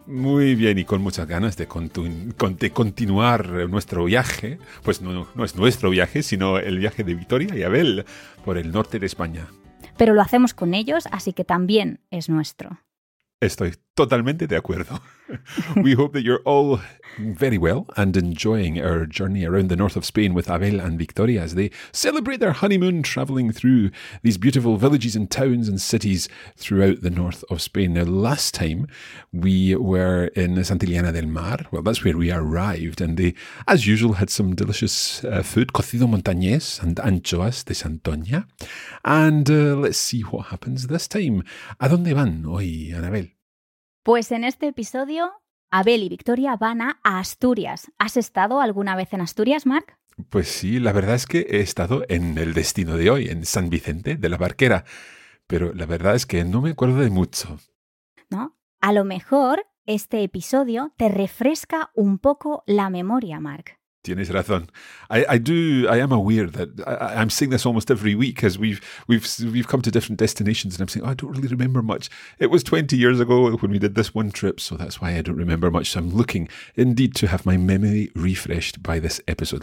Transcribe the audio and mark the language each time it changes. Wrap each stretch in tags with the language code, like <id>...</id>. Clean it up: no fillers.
<es>Muy bien y con muchas ganas de, continuar nuestro viaje. Pues no es nuestro viaje, sino el viaje de Victoria y Abel por el norte de España. Pero lo hacemos con ellos, así que también es nuestro. Estoy totalmente de acuerdo.</es> <en>We hope that you're all very well and enjoying our journey around the north of Spain with Abel and Victoria as they celebrate their honeymoon traveling through these beautiful villages and towns and cities throughout the north of Spain. Now, last time we were in Santillana del Mar, well, that's where we arrived, and they, as usual, had some delicious food, cocido montañés and anchoas de Santoña. And let's see what happens this time.</en> <es>¿A dónde van hoy, Anabel? Pues en este episodio, Abel y Victoria van a Asturias. ¿Has estado alguna vez en Asturias, Marc? Pues sí, la verdad es que he estado en el destino de hoy, en San Vicente de la Barquera. Pero la verdad es que no me acuerdo de mucho. ¿No? A lo mejor este episodio te refresca un poco la memoria, Marc. Tienes razón.</es> <en>I am aware that I'm saying this almost every week as we've come to different destinations and I'm saying, oh, I don't really remember much. It was 20 years ago when we did this one trip, so that's why I don't remember much. So I'm looking indeed to have my memory refreshed by this episode.</en>